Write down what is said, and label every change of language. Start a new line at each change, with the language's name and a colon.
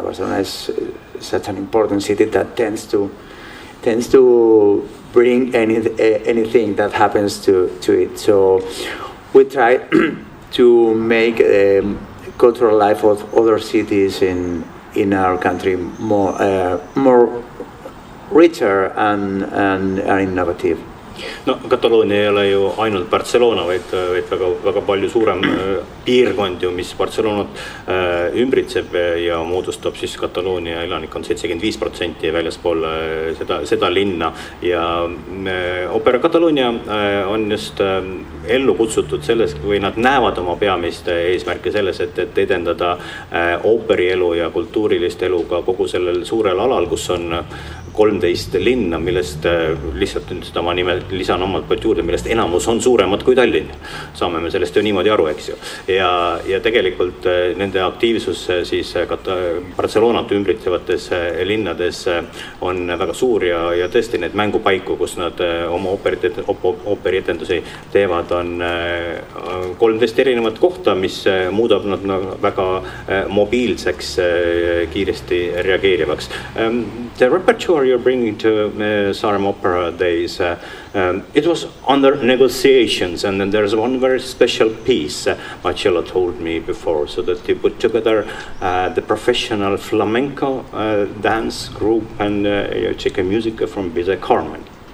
English: Barcelona is such an important city that tends to bring anything that happens to it. So we try to make cultural life of other cities in our country more richer and innovative.
Estonian: No, Kataloonia ei ole ju ainult Barcelona, vaid väga, väga palju suurem piirkond, ju, mis Barcelonat ümbritseb ja moodustab siis Kataloonia elanik on 75% väljaspool seda linna. Ja opera Kataloonia on just ellu kutsutud selles, kui nad näevad oma peamist eesmärke selles, et edendada ooperielu ja kultuurilist elu ka kogu sellel suurel alal, kus on 13 linna, millest lihtsalt nüüd oma nimelt lisan omalt poolt juurde, millest enamus on suuremad kui Tallinn. Saame me sellest ju niimoodi aru, eks ju. Ja tegelikult nende aktiivsus siis Barcelonat ümbritsevates linnades on väga suur ja tõesti need mängupaiku, kus nad oma ooperietendusi teevad, on 13 erinevat kohta, mis muudab nad väga mobiilseks, kiiresti reageerivaks.
English: The repertoire you're bringing to Saarem Opera Days, it was under negotiations, and then there's one very special piece Marcello told me before, so that he put together the professional flamenco dance group and Chica Musica from Bize Carmen.